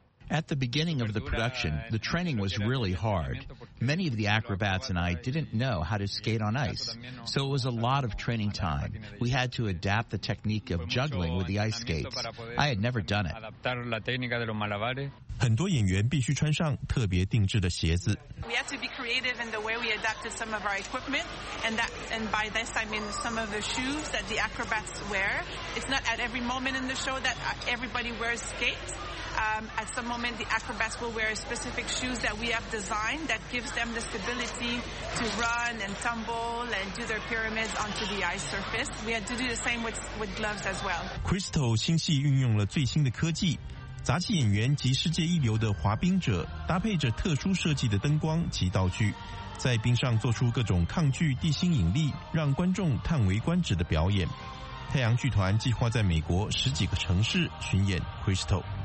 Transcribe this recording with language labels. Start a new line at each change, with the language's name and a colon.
English: At the beginning of the production, the training was really hard. Many of the acrobats and I didn't know how to skate on ice, so it was a lot of training time. We had to adapt the technique of juggling with the ice skates. I had never done it.
Chinese: 很多演员必须穿上特别定制的鞋子。
English: We have to be creative in the way we adapted some of our equipment, and by this I mean some of the shoes that the acrobats wear. It's not at every moment in the show that everybody wears skates. At some moment, the acrobats will wear specific shoes that we have designed that gives them the stability to run and tumble and do their pyramids onto the ice surface. We had to do the same with gloves as well.
Chinese: Crystal 新戏运用了最新的科技，杂技演员及世界一流的滑冰者搭配着特殊设计的灯光及道具，在冰上做出各种抗拒地心引力、让观众叹为观止的表演。太阳剧团计划在美国十几个城市巡演 Crystal。